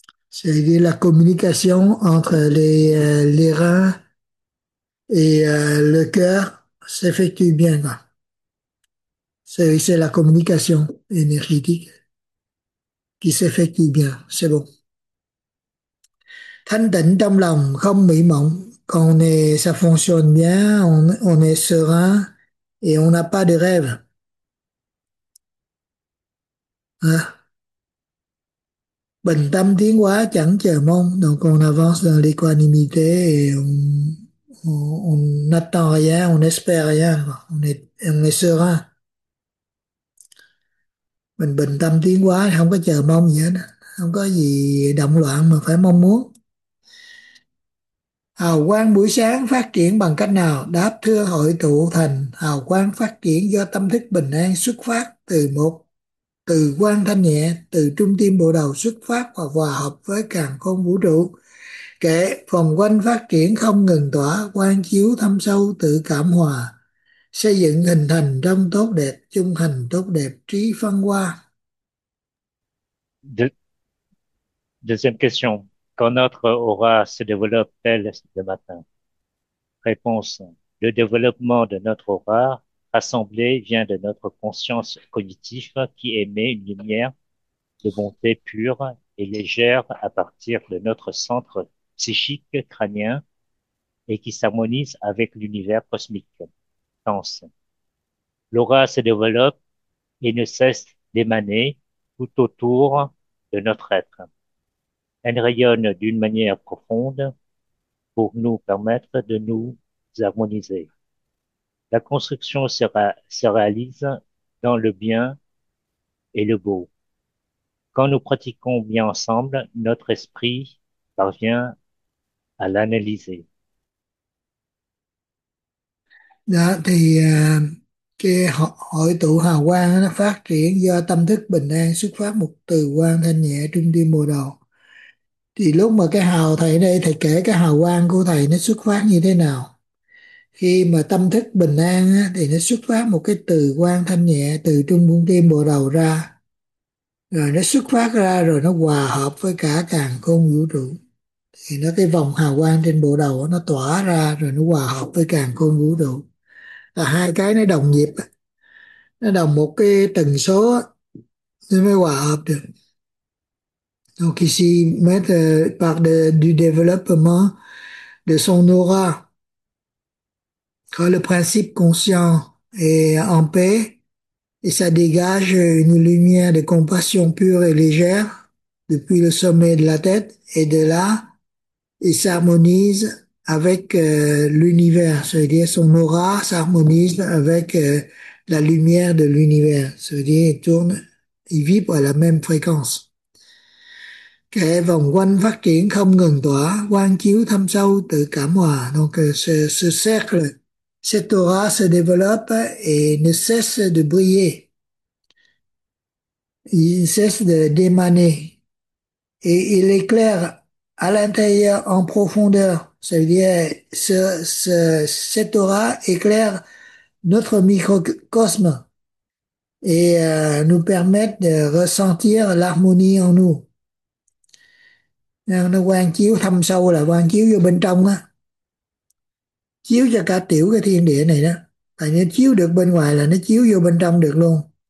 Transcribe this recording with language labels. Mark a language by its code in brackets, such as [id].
[fr] C'est-à-dire la communication entre les reins et le cœur s'effectue bien là. C'est la communication énergétique qui s'effectue bien. C'est bon. [vi] Thanh tịnh trong lòng không bị mộng. [fr] Quand on est, ça fonctionne bien, on est serein et on n'a pas de rêve. Hein? [vi] Bình tâm tiến hóa chẳng chờ mong, [fr] donc on avance dans l'équanimité et on n'attend rien, on espère rien, on est serein. [vi] Mình bình tâm tiến hóa, không có chờ mong gì hết, không có gì động loạn mà phải mong muốn. Hào quang buổi sáng phát triển bằng cách nào? Đáp thưa hội tụ thành hào quang phát triển do tâm thức bình an xuất phát từ một từ quang thanh nhẹ từ trung tâm bộ đầu xuất phát và hòa hợp với càn khôn vũ trụ. Kệ vòng quanh phát triển không ngừng tỏa quang chiếu thâm sâu tự cảm hòa xây dựng hình thành trong tốt đẹp trung hành tốt đẹp trí phân hoa. [fr] Deuxième question. Quand notre aura se développe-t-elle le matin? Réponse. Le développement de notre aura assemblée vient de notre conscience cognitive qui émet une lumière de bonté pure et légère à partir de notre centre psychique crânien et qui s'harmonise avec l'univers cosmique. Sens. L'aura se développe et ne cesse d'émaner tout autour de notre être. Elle rayonne d'une manière profonde pour nous permettre de nous harmoniser. La construction se réalise dans le bien et le beau. Quand nous pratiquons bien ensemble, notre esprit parvient à l'analyser. [vi] Đó, thì cái hội tụ hào quang nó phát triển do tâm thức bình an xuất phát một từ quang thanh nhẹ trung tâm bồ đề. Thì lúc mà cái hào thầy đây thầy kể cái hào quang của thầy nó xuất phát như thế nào, khi mà tâm thức bình an á, thì nó xuất phát một cái từ quang thanh nhẹ từ trung tâm bồ đề ra, rồi nó xuất phát ra rồi nó hòa hợp với cả càn khôn vũ trụ, thì nó cái vòng hào quang trên bộ đầu nó tỏa ra rồi nó hòa hợp với càn khôn vũ trụ, là hai cái nó đồng nhịp, nó đồng một cái tần số nó mới hòa hợp được. [fr] Donc ici mettre par du développement de son aura, quand le principe conscient est en paix et ça dégage une lumière de compassion pure et légère depuis le sommet de la tête et de là il s'harmonise avec l'univers, c'est-à-dire son aura s'harmonise avec la lumière de l'univers, c'est-à-dire il tourne, il vibre à la même fréquence. [vi] Cái vòng quanh phát triển không ngừng tỏa, quang chiếu thâm sâu tự cảm hòa. [fr] Donc ce cercle, cette aura se développe et ne cesse de briller. Il cesse d'émaner. Et il éclaire à l'intérieur, en profondeur, c'est-à-dire cette aura éclaire notre microcosme et nous permet de ressentir l'harmonie en nous. [vi] Nó quang chiếu thâm sâu là quang chiếu vô bên trong á, chiếu cho cả tiểu cái thiên địa này đó, tại nó chiếu được bên ngoài là nó chiếu vô bên trong được luôn.